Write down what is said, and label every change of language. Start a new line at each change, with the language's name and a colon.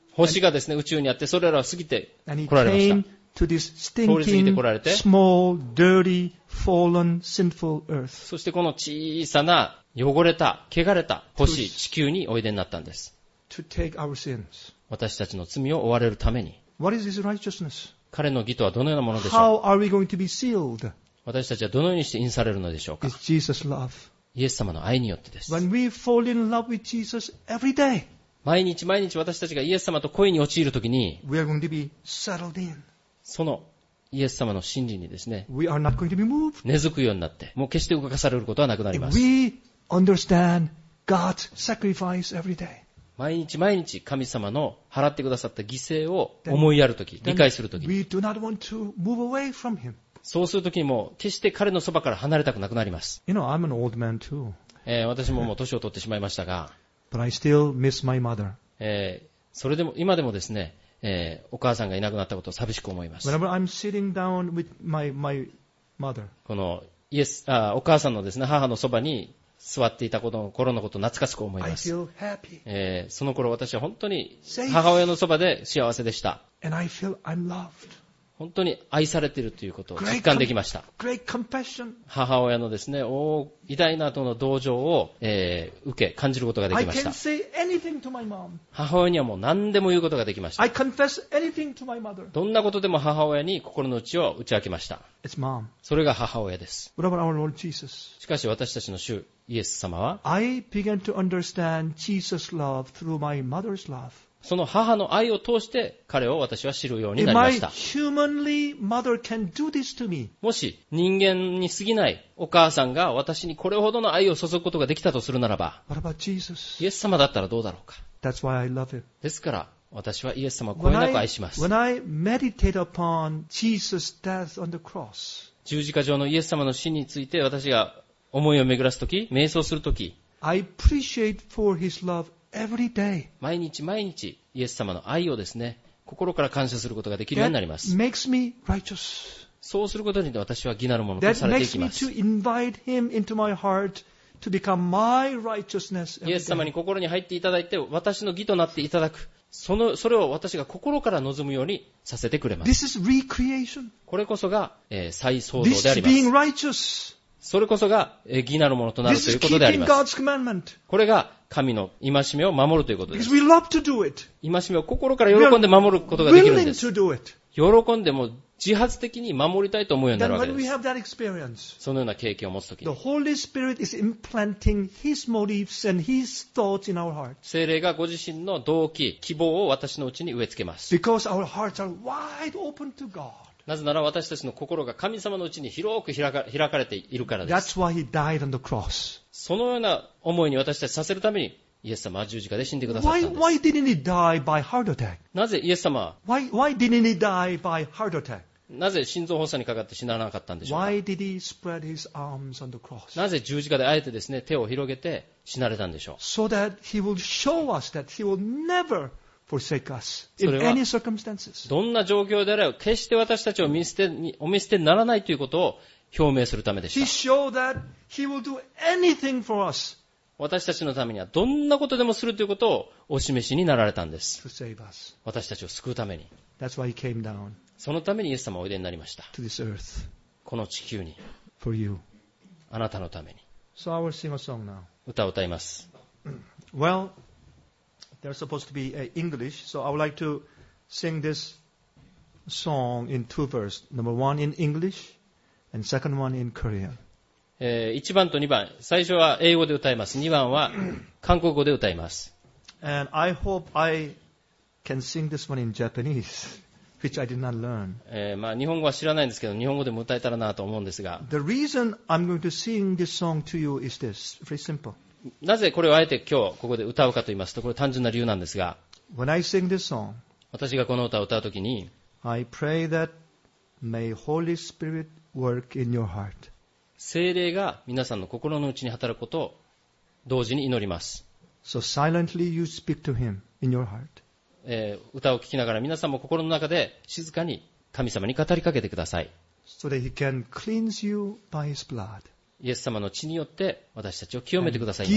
Japanese: 星がですね、宇宙にあって、それらを過ぎて来られました。通り過ぎて来られて、
English: small, dirty, fallen, sinful earth.
Japanese: そしてこの小さな汚れた、汚れた星、地球においでになったんです。
English: To take our sins.
Japanese: 私たちの罪を負われるために。
English: What is his righteousness?
Japanese: 彼の義とはどのようなものでしょう。
English: How are we going to be sealed?
Japanese: 私たちはどのようにして印されるのでしょうか。
English: It's Jesus' love.
Japanese: イエス様の愛によってです。
English: When we fall in love with Jesus every day.
Japanese: 毎日毎日私たちがイエス様と恋に陥るときに、
English: we are going to be settled in.
Japanese: そのイエス様の真理にですね、
English: We are not going to be moved.
Japanese: 根付くようになって、もう決して動かされることはなくなります。
English: If we understand God's sacrifice every day,
Japanese: 毎日毎日神様の払ってくださった犠牲を思いやるとき、理解するとき、
English: we do not want to move away from him.
Japanese: そうするときにも決して彼のそばから離れたくなくなります。
English: You know, I'm an old man too.
Japanese: 私ももう年を取ってしまいましたが、
English: But I still miss my mother.
Japanese: それでも今でもですね、お母さんがいなくなったことを寂しく思います。
English: Whenever I'm sitting down with my mother.
Japanese: このイエス、お母さんのですね、母のそばに座っていたこの頃のことを懐かしく思います。
English: I feel happy.
Japanese: その頃私は本当に母親のそばで幸せでした。
English: And I feel I'm loved.
Japanese: 本当に愛されているということを実感できました。
English: Great compassion.
Japanese: 母親のですね、偉大なとの同情を、受け、感じることができました。
English: I can say anything to my mom.
Japanese: 母親にはもう何でも言うことができました。
English: I confess anything to my mother.
Japanese: どんなことでも母親に心の内を打ち明けました。
English: It's mom.
Japanese: それが母親です。
English: What about our Lord Jesus?
Japanese: しかし私たちの主、イエス様は、
English: I began to understand Jesus' love through my mother's love.
Japanese: その母の愛を通して彼を私は知るようになりました。
English: Humanly, mother can do this to me.
Japanese: もし人間に過ぎないお母さんが私にこれほどの愛を注ぐことができたとするならば、
English: What about Jesus?
Japanese: イエス様だったらどうだろうか。
English: That's why I love him.
Japanese: ですから私はイエス様をこよなく愛します。
English: When I meditate upon Jesus' death on the cross,
Japanese: 十字架上のイエス様の死について私が思いを巡らすとき、瞑想するとき、
English: I appreciate for his love. Every day.
Japanese: 毎日毎日イエス様の愛をですね、心から感謝することができるようになります。
English: That makes me righteous.
Japanese: そうすることによって私は義なるものとされていきます。
English: That makes me to invite him into my heart to become my righteousness.
Japanese: イエス様に心に入っていただいて、私の義となっていただく。それを私が心から望むようにさせてくれます。
English: This is recreation.
Japanese: これこそが、再創造であります。
English: This is being righteous.
Japanese: それこそが義なるものとなるということであります。これが神の戒めを守るということです。
English: We love to do it.
Japanese: 戒めを心から喜んで守ることができるんです。喜んでも自発的に守りたいと思うようになるわけです。
English: Then when we have that experience,
Japanese: そのような経験を持つとき、
English: The Holy Spirit is implanting His motives and His thoughts in our hearts.
Japanese: 聖霊がご自身の動機、希望を私のうちに植え付けます。
English: Because our hearts are wide open to God.
Japanese: なぜなら私たちの心が神様のうちに広く開かれているからです。
English: That's why he died on the cross.
Japanese: そのような思いに私たちさせるためにイエス様は十字架で死んでくださったんです。
English: Why didn't he die by heart attack?
Japanese: なぜイエス様は
English: why didn't he die by heart attack?
Japanese: なぜ心臓発作にかかって死ななかったんでしょうか。
English: Why did he spread his arms on the cross?
Japanese: なぜ十字架であえてですね、手を広げて死なれたんでしょう。
English: So that he will show us that he will never forsake us in any circumstances.
Japanese: どんな状況であれば決して私たちを見捨てにならないということを表明するためでした。
English: He showed that he will do anything for us.
Japanese: 私たちのためにはどんなことでもするということをお示しになられたんです。
English: To save us.
Japanese: 私たちを救うために。
English: That's why he came down.
Japanese: そのためにイエス様はおいでになりました。
English: To this earth.
Japanese: この地球に。
English: For you.
Japanese: あなたのために。
English: So I will sing a song now.
Japanese: 歌を歌います。
English: Well. They're supposed to be English, so I would like to sing this song in two verses. Number one in English, and second one in Korean.
Japanese: 1番と2番、最初は英語で歌います。2番は韓国語で歌います。
English: And I hope I can sing this one in Japanese, which I did not learn.
Japanese: 日本語は知らないんですけど、日本語でも歌えたらなと思うんですが。
English: The reason I'm going to sing this song to you is this, very simple.
Japanese: なぜこれをあえて今日ここで歌うかと言いますと、これは単純な理由なんですが、私がこの歌を歌うときに、
English: I pray that may Holy Spirit work in your heart.
Japanese: 聖霊が皆さんの心の内に働くことを同時に祈ります。
English: So silently you speak to him in your heart.
Japanese: 歌を聴きながら皆さんも心の中で静かに神様に語りかけてください。
English: So that he can cleanse you by his blood.
Japanese: イエス様の血によって私たちを清めてくださいます。